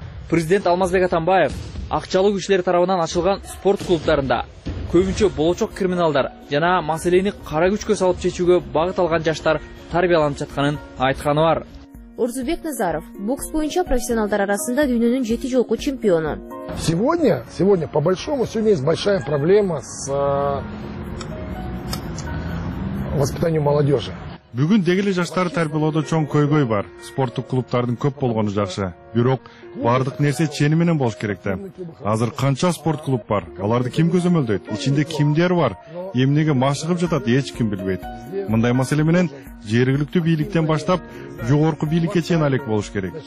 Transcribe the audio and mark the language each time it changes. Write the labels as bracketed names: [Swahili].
[Kyrgyz] Президент Алмазбек Атамбаев акчалуу күчлөр тарабынан ачылган спорт клубтарында көбүнчө болочок криминалдар жана маселени кара күчкө салып чечүүгө багыт алган жаштар тарбияланып жатканын айтканы бар. Орзубек Назаров бокс боюнча профессионалдар арасында дүйнөнүн 7 жолку чемпиону. [Russian] Сегодня по большому сегодня есть большая проблема с воспитанием молодежи. [Kyrgyz] Бүгүн деги эле жаштарды тарбиялоодо чоң көйгөй бар. Спорттук клубтардын көп болгону жакшы. Бирок бардык нерсе чени менен болуш керек да. Азыр канча спорт клуб бар? Аларды ким көзөмөлдөйт? Ичинде кимдер бар? Эмнеге машыгып жатат, эч ким билбейт. Мындай маселе менен жергиликтүү бийликтен баштап жогорку бийликке чейин алек болуш керек.